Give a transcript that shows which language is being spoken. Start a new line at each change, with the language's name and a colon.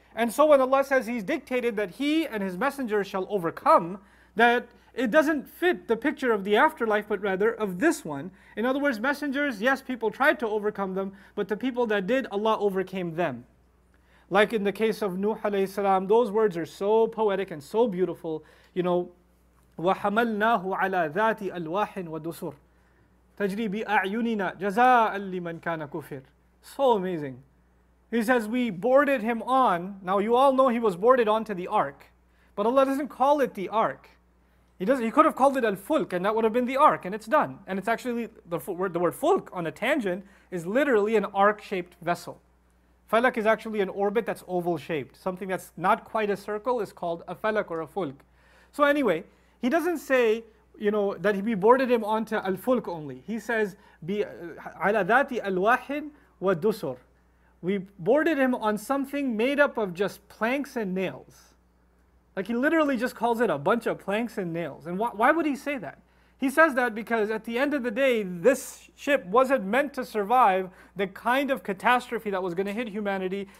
English: And so when Allah says He's dictated that He and His messengers shall overcome, that it doesn't fit the picture of the afterlife, but rather of this one. In other words, messengers, yes, people tried to overcome them, but the people that did, Allah overcame them. Like in the case of Nuh alayhi salam, those words are so poetic and so beautiful. You know,
Arabic: وَحَمَلْنَاهُ عَلَى ذَاتِ أَلْوَاحٍ وَدُسُرٍ تَجْرِي بِأَعْيُنِنَا جَزَاءً لِمَنْ كَانَ كُفِرٍ.
English: So amazing. He says, we boarded him on. Now you all know he was boarded onto the ark. But Allah doesn't call it the ark. He could have called it al-fulk, and that would have been the ark, and it's done. And it's actually, the word fulk on a tangent is literally an arc-shaped vessel. Falak is actually an orbit that's oval-shaped. Something that's not quite a circle is called a falak or a fulk. So anyway, he doesn't say, you know, that he boarded him onto al-fulk only.
Arabic: He says, عَلَى ذَاتِ الْوَاحِدْ وَدُسُرْ.
English: We boarded him on something made up of just planks and nails. Like, he literally just calls it a bunch of planks and nails. And why would he say that? He says that because at the end of the day, this ship wasn't meant to survive the kind of catastrophe that was going to hit humanity.